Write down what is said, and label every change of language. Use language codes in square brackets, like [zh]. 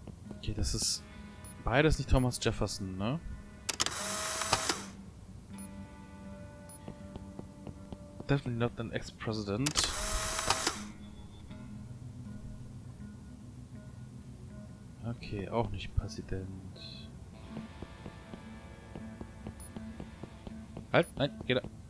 [de] Okay, das ist beides nicht Thomas Jefferson, ne? [en] Definitely not an ex-president. [de] Okay, auch nicht Präsident. Halt, nein, geh da.